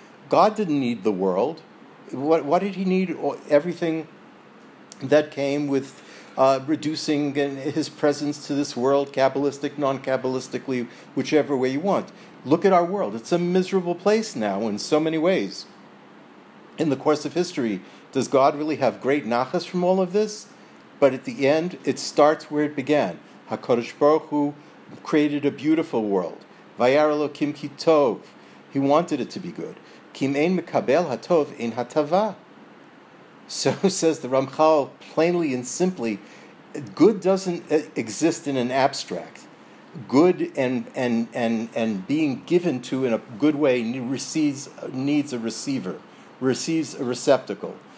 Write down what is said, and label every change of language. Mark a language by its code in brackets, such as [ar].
[en] God didn't need the world. What did he need? Everything that came with reducing his presence to this world, Kabbalistic, non-Kabbalistically, whichever way you want. Look at our world. It's a miserable place now in so many ways. in the course of history, does God really have great nachas from all of this? But at the end, it starts where it began. HaKadosh Baruch Hu created a beautiful world. [he] Vayar Elokim ki tov. [en] He wanted it to be good. [he] Kim ein mekabel hatov ein hatava. [en] So says the Ramchal, plainly and simply, good doesn't exist in an abstract. Good and being given to in a good way needs a receiver, receives a receptacle.